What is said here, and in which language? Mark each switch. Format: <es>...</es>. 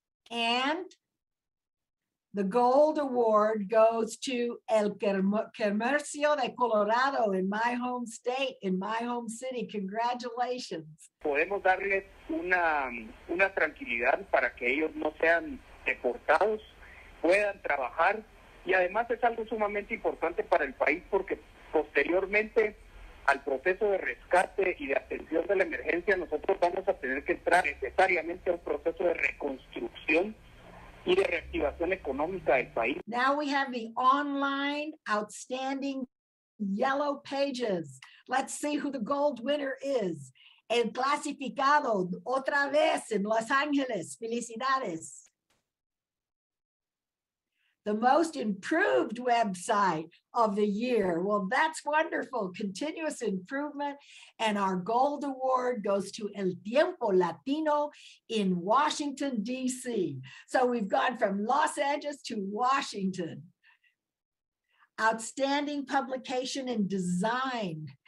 <en>And the Gold Award goes to El Comercio de Colorado in my home state, in my home city. Congratulations.</en> <es>Podemos darles una tranquilidad para que ellos no sean deportados, puedan trabajar. Y además es algo sumamente importante para el país, porque posteriormente al proceso de rescate y de atención de la emergencia, nosotros vamos a tener que entrar necesariamente a un proceso de reconstrucción y de reactivación económica del país.</es> <en>Now we have the online outstanding yellow pages. Let's see who the gold winner is.</en> <es>El clasificado, otra vez en Los Ángeles. Felicidades.</es> <en>The most improved website of the year. Well, that's wonderful. Continuous improvement. And our gold award goes to El Tiempo Latino in Washington, D.C. So we've gone from Los Angeles to Washington. Outstanding publication and design.</en>